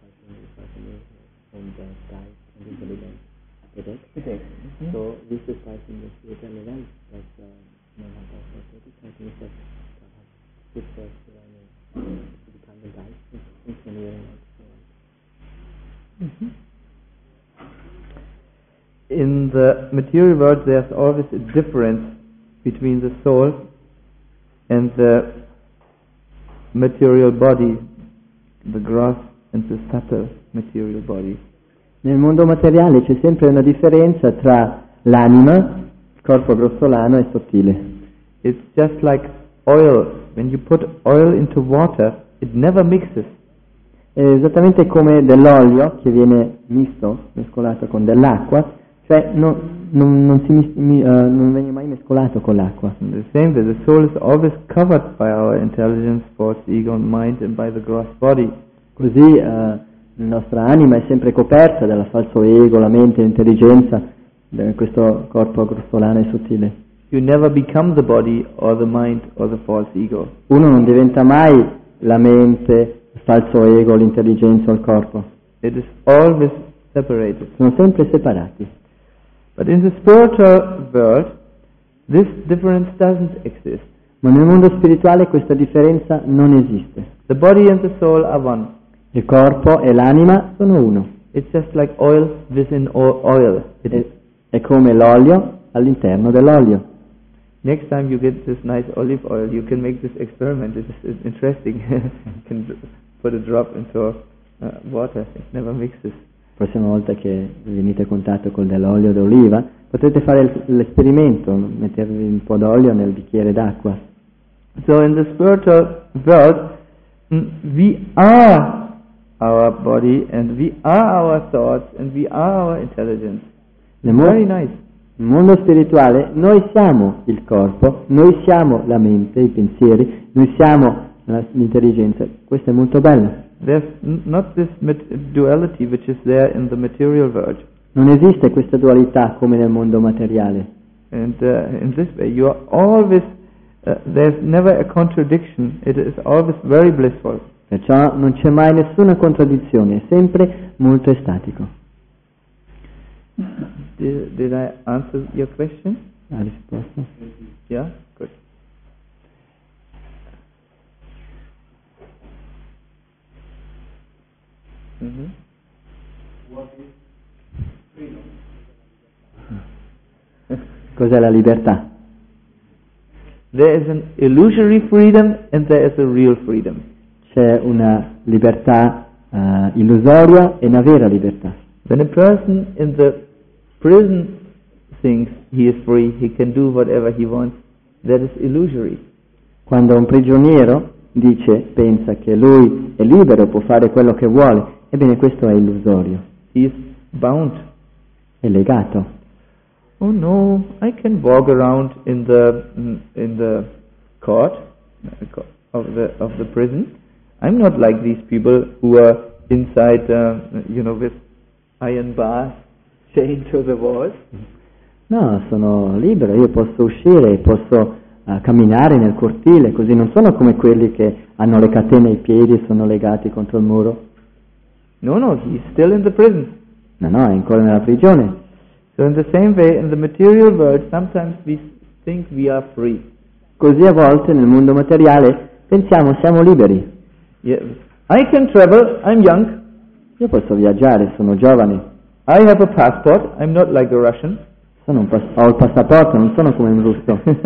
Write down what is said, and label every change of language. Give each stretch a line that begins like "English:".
English: in the material world there's always a difference between the soul and the material body, the gross and the subtle material body.
Italian: Nel mondo materiale c'è sempre una differenza tra l'anima, il corpo grossolano e sottile.
English: It's just like oil. When you put oil into water, it never mixes.
Italian: È esattamente come dell'olio che viene misto, mescolato con dell'acqua, cioè non viene mai mescolato con l'acqua.
English: And the same way, the soul is always covered by our intelligence, force, ego, mind, and by the gross body.
Italian: Così la nostra anima è sempre coperta dal falso ego, la mente, l'intelligenza, questo corpo grossolano e sottile.
English: You never become the body or the mind or the false ego.
Italian: Uno non diventa mai la mente, il falso ego, l'intelligenza o il corpo.
English: It is always separated.
Italian: Sono sempre separati.
English: But in the spiritual world, this difference doesn't exist.
Italian: Ma nel mondo spirituale questa differenza non esiste.
English: The body and the soul are one.
Italian: Il corpo e l'anima sono uno.
English: It's just like oil within oil.
Italian: È come l'olio all'interno dell'olio.
English: Next time you get this nice olive oil, you can make this experiment. It's interesting. You can put a drop into water. Never mix this.
Italian: Prossima volta che venite a contatto con dell'olio d'oliva, potete fare l'esperimento, mettervi un po' d'olio nel bicchiere d'acqua.
English: So in the spiritual world, we are our body, and we are our thoughts, and we are our intelligence. Very nice.
Italian: Nel mondo spirituale noi siamo il corpo, noi siamo la mente, i pensieri, noi siamo l'intelligenza. Questo è molto bello.
English: There's not this duality which is there in the material world.
Italian: Non esiste questa dualità come nel mondo materiale.
English: And in this way you are always there's never a contradiction. It is always very blissful.
Italian: Perciò non c'è mai nessuna contraddizione, è sempre molto estatico.
English: Did I answer your question?
Italian: La risposta.
English: Yeah, good.
Italian: Mm-hmm. Cos'è la libertà?
English: There is an illusory freedom and there is a real freedom.
Italian: C'è una libertà illusoria e una vera libertà.
English: When a person in the prison thinks he is free, he can do whatever he wants, that is illusory.
Italian: Quando un prigioniero dice, pensa che lui è libero, può fare quello che vuole, ebbene questo è illusorio.
English: He is bound.
Italian: È legato.
English: Oh no, I can walk around in the court of the prison. I'm not like these people who are inside, with iron bars chained to the walls.
Italian: No, sono libero, io posso uscire, posso camminare nel cortile, così non sono come quelli che hanno le catene ai piedi e sono legati contro il muro.
English: No, he's still in the prison.
Italian: No, è ancora nella prigione.
English: So in the same way, in the material world, sometimes we think we are free.
Italian: Così a volte nel mondo materiale pensiamo siamo liberi.
English: Yes. I can travel, I'm young.
Italian: Io posso viaggiare, sono giovane.
English: I have a passport, I'm not like a Russian.
Italian: Ho il passaporto, non sono come un russo.